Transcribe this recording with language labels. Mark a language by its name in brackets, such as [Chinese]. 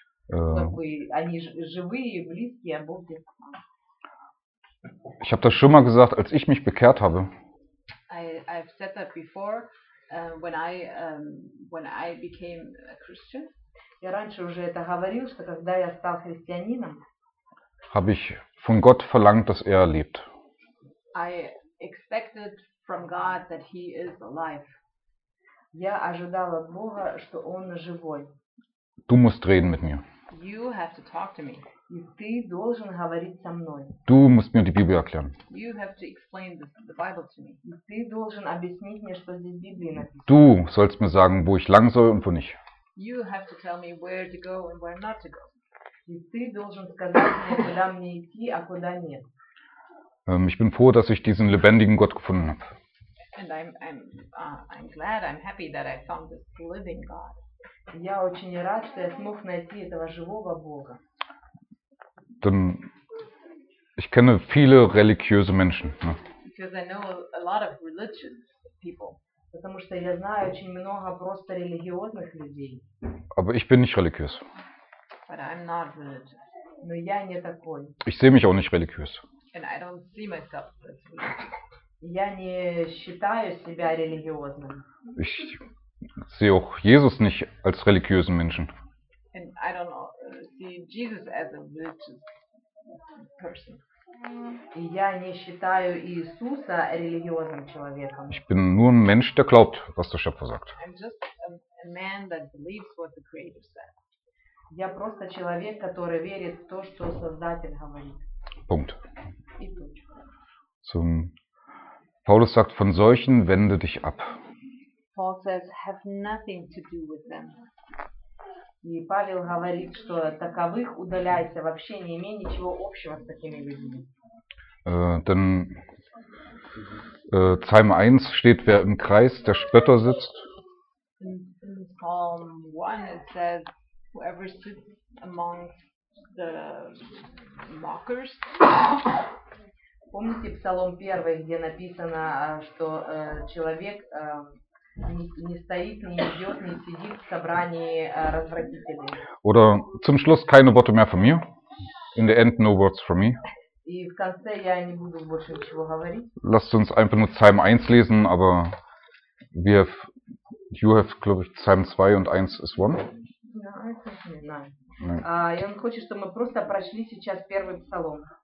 [Russian] они живые, близкие, а Бог где-то. [German] Ich habe das schon mal gesagt, als ich mich bekehrt habe. [English] I've said that before, when I became a Christian. [Russian] Я раньше уже это говорил, что когда я стал христианином. [German] Habe ich von Gott verlangt, dass er lebt. [English] I expected from God that he is alive. [Russian] Я ожидал от Бога, что он живой. [German] Du musst reden mit mir. [English] You have to talk to me. [Russian] И ты должен говорить со мной. [German] Du musst mir die Bibel erklären. [English] You have to explain the Bible to me. [Russian] И ты должен объяснить мне, что здесь в Библии написано. [German] Du sollst mir sagen, wo ich lang soll und wo nicht. [English] You have to tell me where to go and where not to go. [Russian] И ты должен сказать мне, куда мне идти, а куда нет. [German] Ich bin froh, dass ich diesen lebendigen Gott gefunden habe. [English] And I'm glad, I'm happy that I found this living God. [Russian] Я очень рад, что я смог найти этого живого Бога. [German] Denn ich kenne viele religiöse Menschen. Ne? [English] Because I know a lot of religious people. [Russian] Потому что я знаю очень много просто религиозных людей. [German] Aber ich bin nicht religiös. [English] But I'm not religious. [Russian] Но я не такой. [German] Ich sehe mich auch nicht religiös. [English] And I don't see myself as religious. [Russian] Я не считаю себя религиозным. [German] Ich sehe auch Jesus nicht als religiösen Menschen. [English] And I don't see Jesus as a religious person. [Russian] Я не считаю Иисуса религиозным человеком. [German] Ich bin nur ein Mensch, der glaubt, was der Schöpfer sagt. [English] I'm just a man that believes what the Creator said. [Russian] Я просто человек, который верит в то, что Создатель говорит. [German] Punkt. [Russian] И точка. [German] So, Paulus sagt, von solchen wende dich ab. [English] Paul says, have nothing to do with them. [Russian] И Павел говорит, что таковых удаляйся, вообще не имей ничего общего с такими людьми. [German] Denn Psalm 1 steht, wer im Kreis der Spötter sitzt. [English] In Psalm 1 it says, whoever sits amongst the mockers. [Russian] Помните Псалом 1, где написано, что человек... Не стоит, не идет, не сидит в собрании развратителей. [German] Oder zum Schluss keine Worte mehr von mir. [English] In the end no words from me. [Russian] И в конце я не буду больше ничего говорить. [German] Lasst uns einfach nur Psalm 1 lesen, aber wir [English] have, you have, [German] glaube ich, Psalm 2 und 1 is 1. Nein. [Russian] Я хочу, чтобы мы просто прошли сейчас первый псалом.